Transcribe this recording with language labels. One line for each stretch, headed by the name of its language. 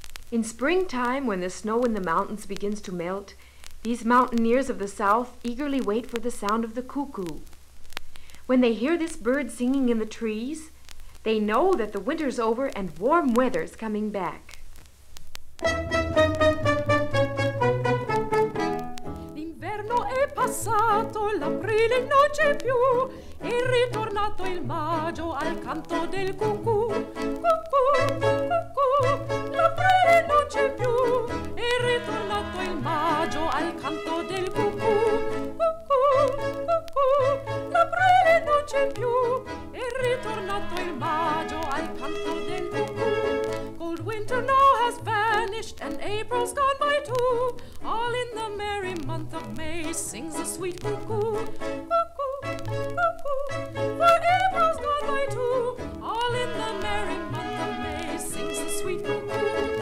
English: In springtime, when the snow in the mountains begins to melt, these mountaineers of the south eagerly wait for the sound of the cuckoo. When they hear this bird singing in the trees, they know that the winter's over and warm weather's coming back.
Italian: L'inverno è passato, l'aprile non c'è più, è ritornato il maggio al canto del cucù. Cucù, cucù, l'aprile non c'è più, è ritornato il maggio al canto del cucù. Cucù, cucù, l'aprile non c'è più, è ritornato il maggio al canto del cucù.
English: Cold winter now has vanished and April's gone by too. All in the merry month of May sings a sweet cuckoo. Cuckoo, cuckoo, for April's gone by too. All in the merry month of May sings a sweet cuckoo.